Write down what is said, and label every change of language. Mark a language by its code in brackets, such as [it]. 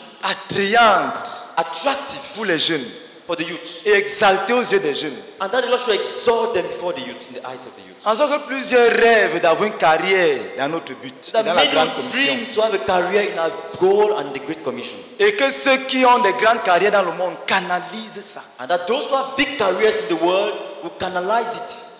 [fr] Attrayante. [en] Attractive. [fr] Pour les jeunes. [en] for the youth. [fr] Et exalté aux yeux des jeunes. [en] And that the Lord should exalt them before the youth in the eyes of the youth. [fr] En sorte que plusieurs rêvent d'avoir une carrière dans notre but, dans la grande commission. [en] To have a career in our goal and the great commission. [fr] Et que ceux qui ont des grandes carrières dans le monde canalisent ça. [en] And that those who have big careers in the world will canalize it.